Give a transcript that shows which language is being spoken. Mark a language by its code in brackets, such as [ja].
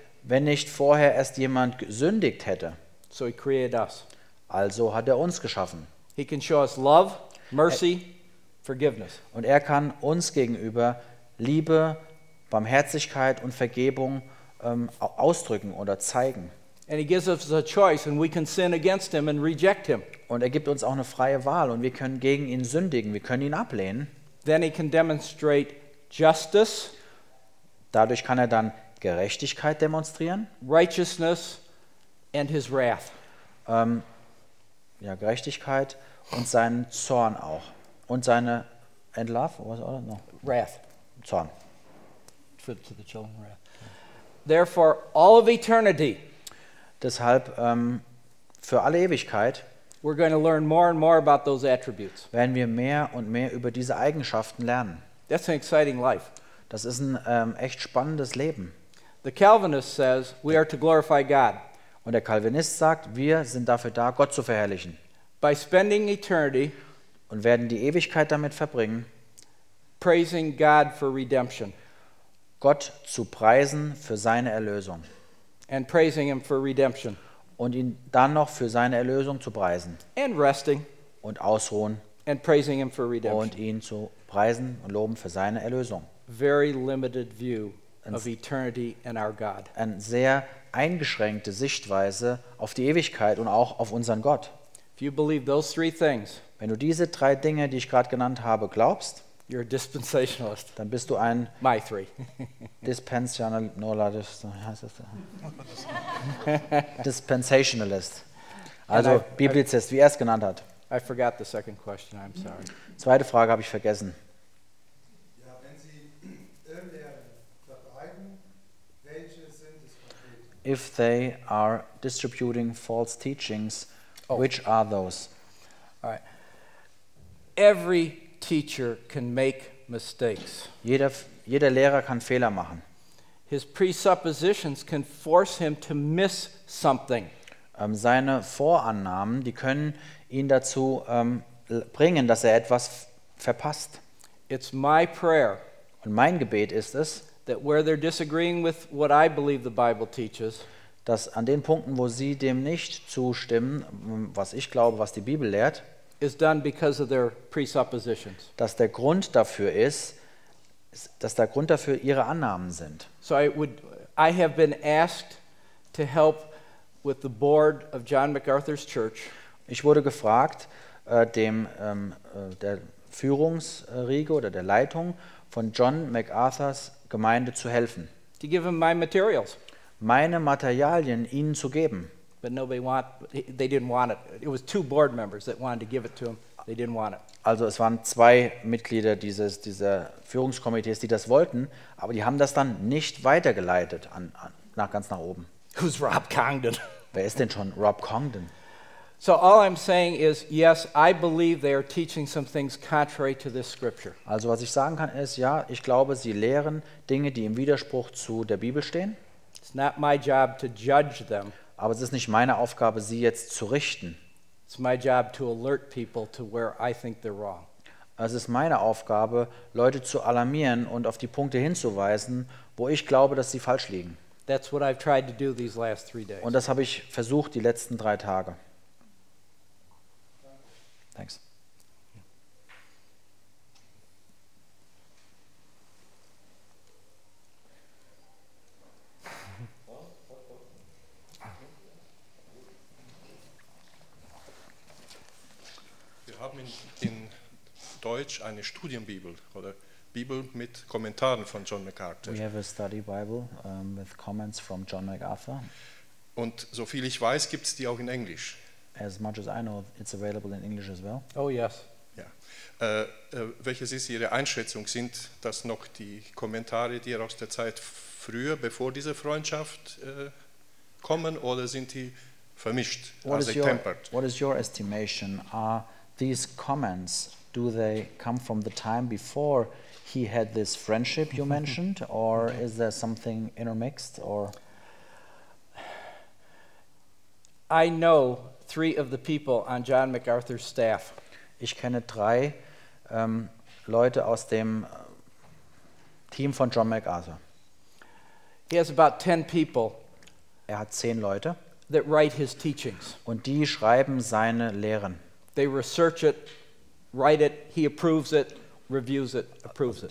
[de] Wenn nicht vorher erst jemand gesündigt hätte. [en] So he created us. [de] Also hat er uns geschaffen. [en] He can show us love, mercy, forgiveness. [de] Und er kann uns gegenüber Liebe, Barmherzigkeit und Vergebung ausdrücken oder zeigen. [en] And he gives us a choice and we can sin against him and reject him. [de] Und er gibt uns auch eine freie Wahl und wir können gegen ihn sündigen, wir können ihn ablehnen. [en] Then he can demonstrate justice. [de] Dadurch kann er dann Gerechtigkeit demonstrieren. [en] Righteousness and his wrath. [de] Gerechtigkeit und seinen Zorn auch. Und seine [en] and love, [de] was oder [en] no? Wrath. [de] Zorn. [en] For to the children wrath. Therefore all of eternity. [de] Deshalb für alle Ewigkeit [en] we're going to learn more and more about those attributes. [de] Werden wir mehr und mehr über diese Eigenschaften lernen. [en] That's an exciting life. [de] Das ist ein echt spannendes Leben. [en] The Calvinist says we are to glorify God. [de] Und der Calvinist sagt, wir sind dafür da, Gott zu verherrlichen. [en] By spending eternity [de] und werden die Ewigkeit damit verbringen, [en] praising God for redemption. [de] Gott zu preisen für seine Erlösung. [en] And praising him for redemption. [de] Und ihn dann noch für seine Erlösung zu preisen. [en] And resting. [de] Und ausruhen. [en] And praising him for redemption. [de] Und ihn zu preisen und loben für seine Erlösung. [en] Very limited view of eternity and our God. [de] Eine sehr eingeschränkte Sichtweise auf die Ewigkeit und auch auf unseren Gott. [en] If you believe those three things, [de] wenn du diese drei Dinge, die ich gerade genannt habe, glaubst, [en] you're a dispensationalist. [de] Dann bist du ein [en] my three. [de] Dispensationalist. Also Biblizist, wie er es genannt hat. [en] I forgot the second question, I'm sorry. [de] Zweite Frage habe ich vergessen. Ja, wenn Sie Irrlehren verbreiten, welche sind es konkret? [en] if they are distributing false teachings, which are those? All right. Every teacher can make mistakes. [de] Jeder Lehrer kann Fehler machen. [en] His presuppositions can force him to miss something. [de] Seine Vorannahmen, die können ihn dazu bringen, dass er etwas verpasst. [en] It's my prayer. [de] Und mein Gebet ist es, [en] that where they're disagreeing with what I believe the Bible teaches, [de] dass an den Punkten, wo sie dem nicht zustimmen, was ich glaube, was die Bibel lehrt, [en] is done because of their presuppositions. [de] Dass der Grund dafür ist, dass der Grund dafür ihre Annahmen sind. [en] So I have been asked to help with the board of John MacArthur's church. [de] Ich wurde gefragt, der Führungsriege oder der Leitung von John MacArthur's Gemeinde zu helfen. [en] To give him my materials. [de] Meine Materialien ihnen zu geben. [en] But nobody want. They didn't want it. It was two board members that wanted to give it to him. They didn't want it. [de] Also es waren zwei Mitglieder dieser Führungskomitees, die das wollten, aber die haben das dann nicht weitergeleitet ganz nach oben. [en] Who's Rob Congdon? [de] Wer ist denn schon Rob Congdon? [en] So all I'm saying is, yes, I believe they are teaching some things contrary to this scripture. [de] Also was ich sagen kann ist, ja, ich glaube, sie lehren Dinge, die im Widerspruch zu der Bibel stehen. [en] It's not my job to judge them. [de] Aber es ist nicht meine Aufgabe, sie jetzt zu richten. [en] It's my job to alert people to where I think they're wrong. [de] Es ist meine Aufgabe, Leute zu alarmieren und auf die Punkte hinzuweisen, wo ich glaube, dass sie falsch liegen. [en] That's what I've tried to do these last 3 days. [de] Und das habe ich versucht die letzten 3 Tage. [en] Thanks. [de] Wir haben in Deutsch eine Studienbibel oder Bibel mit Kommentaren von John MacArthur. [en] We have a study Bible with comments from John MacArthur. [de] Und so viel ich weiß, gibt es die auch in Englisch. [en] As much as I know, it's available in English as well. Oh yes. [de] Ja. Welches ist Ihre Einschätzung? Sind das noch die Kommentare, die aus der Zeit früher, bevor diese Freundschaft kommen, oder sind die vermischt? [en] What is your estimation? Are these comments, do they come from the time before he had this friendship you mentioned, or is there something intermixed? Or I know 3 of the people on John MacArthur's staff. [de] Ich kenne 3 Leute aus dem Team von John MacArthur. [en] He has about 10 people. [de] Er hat 10 Leute. [en] That write his teachings. [de] Und die schreiben seine Lehren. [en] They research it, write it, he approves it, reviews it, approves it.